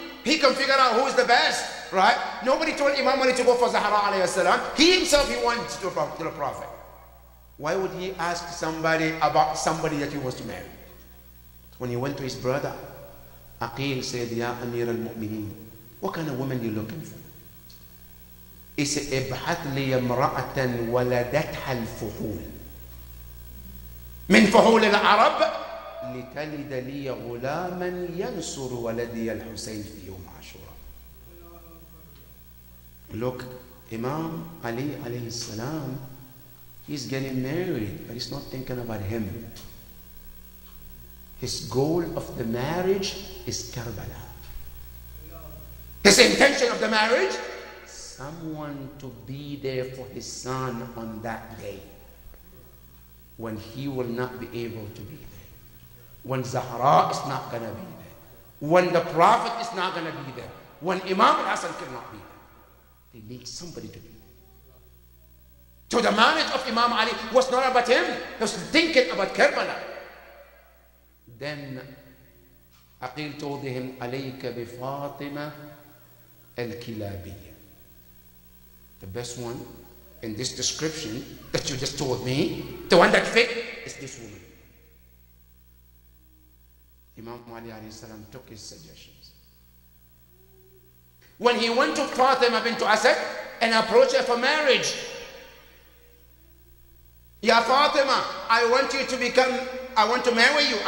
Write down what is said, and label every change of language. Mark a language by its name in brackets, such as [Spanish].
[English] He can figure out who is the best, right? Nobody told Imam Ali to go for Zahra [Arabic] alayhi salam. [English] He himself, he wanted to go to the Prophet. Why would he ask somebody about somebody that he wants to marry? When he went to his brother, Aqil said, [Arabic] Ya Amir al-Mu'mineen, [English] What kind of woman are you looking for? He said, [Arabic] ابحث لي امرأة ولدتها الفحول من فحول العرب لتلد لي غلاما ينصر ولدي الحسين في يوم عاشوراء. [English] Look, Imam Ali [Arabic] عليه السلام, [English] he's getting married, but he's not thinking about him. His goal of the marriage is Karbala. His intention of the marriage, someone to be there for his son on that day when he will not be able to be there, when Zahra is not going to be there, when the Prophet is not going to be there, when Imam Hassan cannot be there. They need somebody to be there. So the marriage of Imam Ali was not about him. He was thinking about Karbala. Then Aqil told him, [Arabic] عليك بفاطمة الكلابية. [English] The best one in this description that you just told me, the one that fit, is this woman. Imam Ali [Arabic] عليه السلام [English] took his suggestions. When he went to Fatima bint Asad and approached her for marriage, Ya Fatima, I want you to become, I want to marry you.